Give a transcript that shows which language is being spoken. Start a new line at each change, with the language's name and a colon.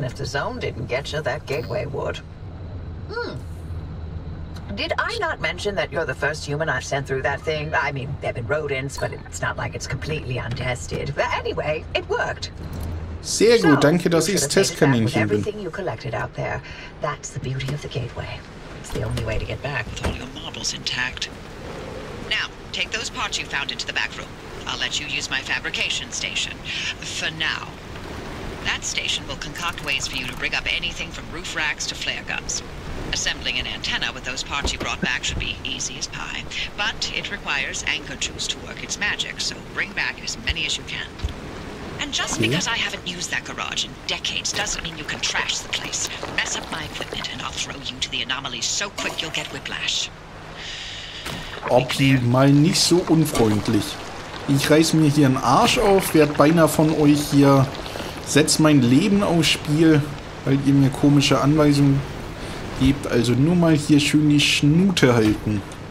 English: If the zone didn't get you, that gateway would. Did I not mention that you're the first human I've sent through that thing? I mean, there have been rodents, but it's not like it's completely untested. But anyway, it worked.
German: Sehr gut, danke, dass ich das Testkaninchen bin.
English: Everything you collected out there. That's the beauty of the gateway. It's the only way to get back. With all your marbles intact. Now, take those parts you found into the back room. I'll let you use my fabrication station. For now. That station will concoct ways for you to rig up anything from roof racks to flare guns. Assembling an antenna with those parts you brought back should be easy as pie. But it requires anchor juice to work its magic, so bring back as many as you can. And just because I haven't used that garage in decades doesn't mean you can trash the place. Mess up my equipment and I'll throw you to the anomaly so quick you'll get whiplash.
German: Ob die mal nicht so unfreundlich. Ich reiß mir hier einen Arsch auf, werd beinahe von euch hier, setz mein Leben aufs Spiel, weil ihr mir komische Anweisungen gebt. Also nur mal hier schön die Schnute halten.